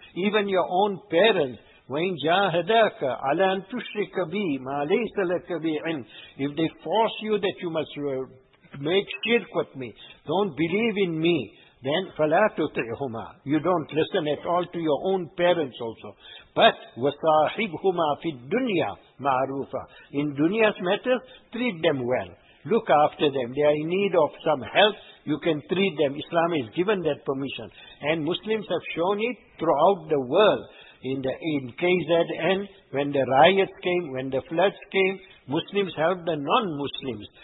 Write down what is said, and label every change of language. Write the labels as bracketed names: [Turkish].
[English] Even your own parents. [Arabic] وَإِنْ جَاهَدَاكَ عَلَىٰ أَنْ تُشْرِكَ بِي مَا لَيْسَ لَكَ بِعِنْ. [English] If they force you that you must make shirk with me, don't believe in me, then [Arabic] فَلَا تُطِعْهُمَا. [English] You don't listen at all to your own parents also. But [Arabic] وَصَاحِبْهُمَا فِي الدُّنْيَا مَعْرُوفَ. [English] In dunya's matters, treat them well. Look after them. They are in need of some help. You can treat them. Islam has given that permission. And Muslims have shown it throughout the world. In KZN, when the riots came, when the floods came, Muslims helped the non-Muslims.